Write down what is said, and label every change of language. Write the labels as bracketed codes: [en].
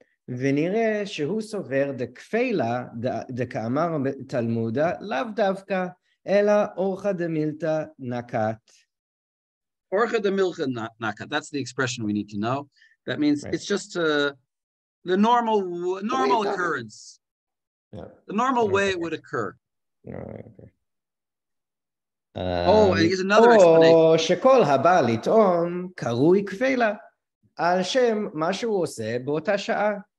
[he] ונראה שהוא סובר דקפילה דקאמר תלמודה לאו דווקא אלא אורחה דמילתא נקת. אורחה דמילתא נקת, [en] that's the expression we need to know. That means right. It's just the normal occurrence. Yeah. The normal way it would occur. Right. Oh, and here's another explanation. [he] או שכל הבא לטעום קרוי קפילה על שם מה שהוא עושה באותה שעה.